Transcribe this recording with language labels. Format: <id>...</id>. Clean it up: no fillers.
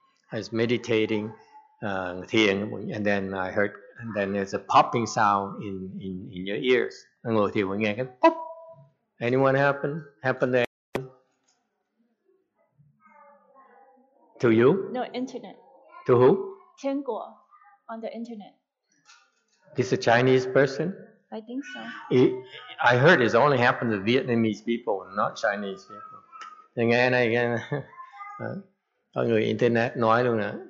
<en>I was meditating, thiền, and then I heard, and then there's a popping sound in your ears.</en> <vi>Ngồi thiền mình nghe cái pop.</vi> <en>Anyone happen there? To you? No, internet. To who? Thiên Quốc, on the internet. This is a Chinese person? I think so. I heard it's only happened to Vietnamese people, not Chinese people.</en> <vi>Nghe này nghe có người internet nói luôn nè.</vi>